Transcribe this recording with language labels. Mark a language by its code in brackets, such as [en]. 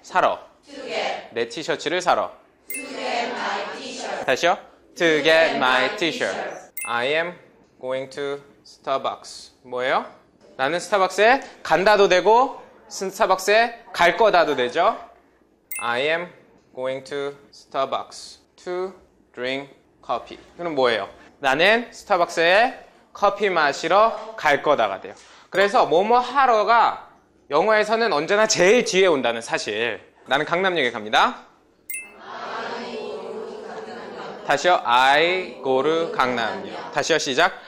[ko] 사러. [en] To get. [ko] 내 티셔츠를 사러. [en] To get my t-shirt. [ko] 다시요. [en] To get my t-shirt. I am going to Starbucks. [ko] 뭐예요? 나는 스타벅스에 간다도 되고 스타벅스에 갈 거다도 되죠? [en] I am going to Starbucks to drink coffee. [ko] 그럼 뭐예요? 나는 스타벅스에 커피 마시러 갈 거다가 돼요. 그래서 뭐뭐 하러가 영어에서는 언제나 제일 뒤에 온다는 사실. 나는 강남역에 갑니다. [en] I go to 강남역. [ko] 다시요. [en] I go to [ko] 강남역. 다시요. 시작.